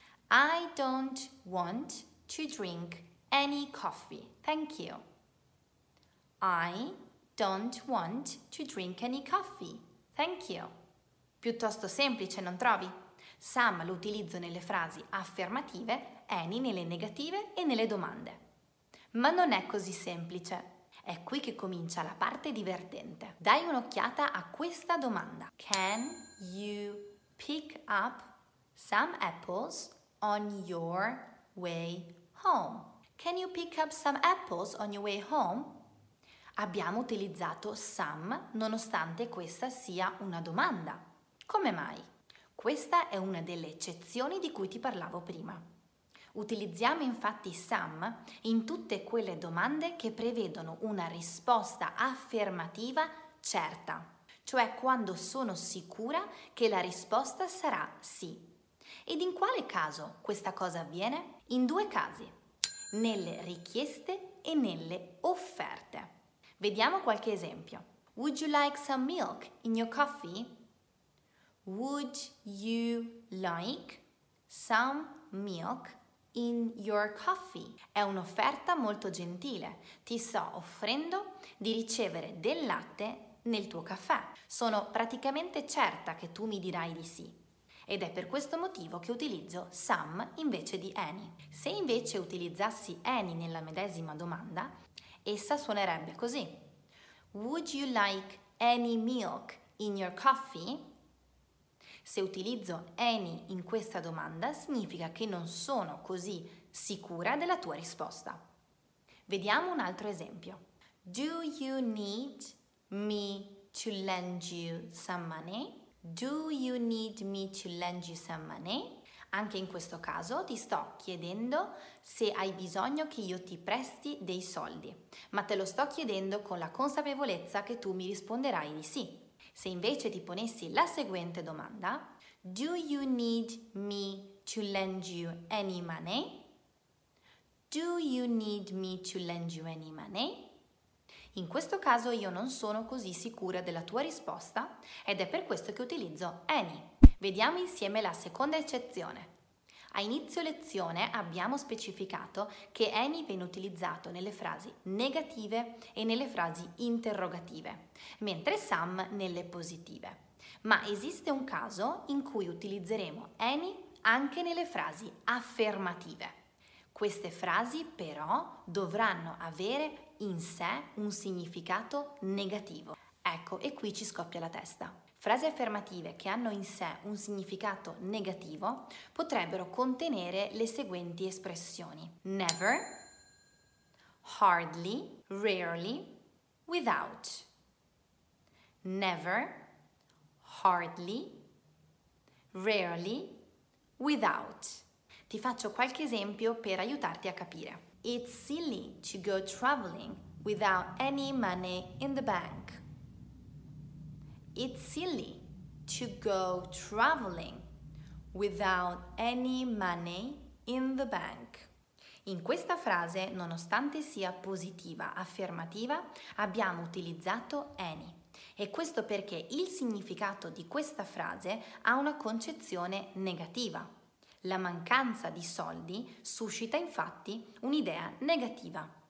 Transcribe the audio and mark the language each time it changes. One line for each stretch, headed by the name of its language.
English: I don't want to drink any coffee, thank you. I don't want to drink any coffee, thank you.
Italian: Piuttosto semplice, non trovi? Some lo utilizzo nelle frasi affermative, any nelle negative e nelle domande. Ma non è così semplice. È qui che comincia la parte divertente. Dai un'occhiata a questa domanda.
English: Can you pick up some apples on your way home? Can you pick up some apples on your way home?
Italian: Abbiamo utilizzato some nonostante questa sia una domanda. Come mai? Questa è una delle eccezioni di cui ti parlavo prima. Utilizziamo infatti some in tutte quelle domande che prevedono una risposta affermativa certa, cioè quando sono sicura che la risposta sarà sì. Ed in quale caso questa cosa avviene? In due casi, nelle richieste e nelle offerte. Vediamo qualche esempio.
English: Would you like some milk in your coffee? Would you like some milk in your coffee?
Italian: È un'offerta molto gentile. Ti sto offrendo di ricevere del latte nel tuo caffè. Sono praticamente certa che tu mi dirai di sì. ed è per questo motivo che utilizzo some invece di any. Se invece utilizzassi any nella medesima domanda, essa suonerebbe così.
English: Would you like any milk in your coffee?
Italian: Se utilizzo any in questa domanda, significa che non sono così sicura della tua risposta. Vediamo un altro esempio.
English: Do you need me to lend you some money? Do you need me to lend you some money?
Italian: Anche in questo caso ti sto chiedendo se hai bisogno che io ti presti dei soldi, ma te lo sto chiedendo con la consapevolezza che tu mi risponderai di sì. Se invece ti ponessi la seguente domanda,
English: do you need me to lend you any money? Do you need me to lend you any money?
Italian: In questo caso io non sono così sicura della tua risposta ed è per questo che utilizzo any. Vediamo insieme la seconda eccezione. A inizio lezione abbiamo specificato che any viene utilizzato nelle frasi negative e nelle frasi interrogative, mentre some nelle positive. Ma esiste un caso in cui utilizzeremo any anche nelle frasi affermative. Queste frasi però dovranno avere in sé un significato negativo. Ecco, e qui ci scoppia la testa. Frasi affermative che hanno in sé un significato negativo potrebbero contenere le seguenti espressioni: never, hardly, rarely, without.
English: Never, hardly, rarely, without.
Italian: Ti faccio qualche esempio per aiutarti a capire.
English: It's silly to go traveling without any money in the bank. It's silly to go traveling without any money in the bank.
Italian: In questa frase, nonostante sia positiva, affermativa, abbiamo utilizzato any. E questo perché il significato di questa frase ha una concezione negativa. La mancanza di soldi suscita infatti un'idea negativa.